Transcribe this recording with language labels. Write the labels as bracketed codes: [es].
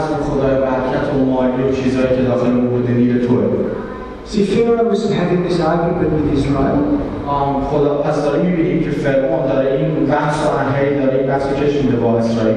[fa] خدای برکت و مایه و چیزایی که داخل وجود نیل توه [en] See, Pharaoh was having this argument with Israel. [fa] خدا پس داره می‌بینیم که فرعون داره این بحث رو انهی داره این بحث رو کشیده با اسرائیل.